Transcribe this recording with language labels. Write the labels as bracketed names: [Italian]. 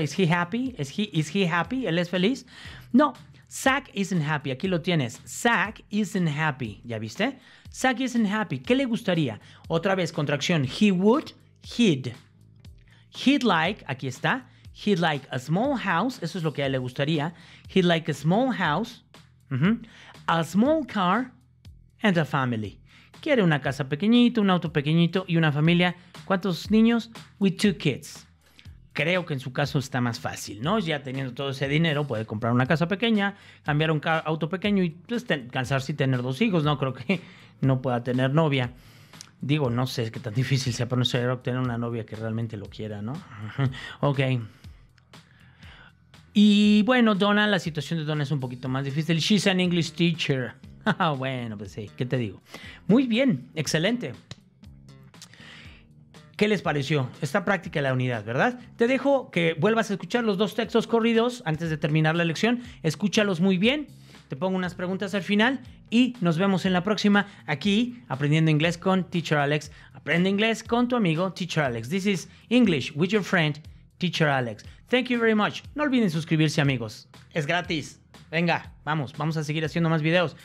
[English] ¿Is he happy? ¿Is he happy? [Spanish] ¿Él es feliz? [English] No, Zach isn't happy. [Spanish] Aquí lo tienes. [English] Zach isn't happy. [Spanish] ¿Ya viste? Zach isn't happy. ¿Qué le gustaría? Otra vez, contracción. [English] He would, he'd. He'd like, [Spanish] aquí está. [English] He'd like a small house. [Spanish] Eso es lo que a él le gustaría. [English] He'd like a small house. Uh-huh. A small car. And a family. [Spanish] quiere una casa pequeñita, un auto pequeñito y una familia. ¿Cuántos niños? [English] With two kids. [Spanish] Creo que en su caso está más fácil, ¿no? Ya teniendo todo ese dinero, puede comprar una casa pequeña, cambiar un auto pequeño y pues, cansarse y tener dos hijos, ¿no? Creo que no pueda tener novia. Digo, no sé qué tan difícil sea para un ser obtener una novia que realmente lo quiera, ¿no? Ok. Y bueno, Donna, la situación de Donna es un poquito más difícil. [English] She's an English teacher. [Spanish] Bueno, pues sí, ¿qué te digo? Muy bien, excelente. ¿Qué les pareció esta práctica de la unidad, verdad? Te dejo que vuelvas a escuchar los dos textos corridos antes de terminar la lección. Escúchalos muy bien. Te pongo unas preguntas al final y nos vemos en la próxima aquí, Aprendiendo Inglés con Teacher Alex. Aprende inglés con tu amigo Teacher Alex. [English] This is English with your friend Teacher Alex. Thank you very much. [Spanish] No olviden suscribirse, amigos. Es gratis. Venga, vamos. Vamos a seguir haciendo más videos.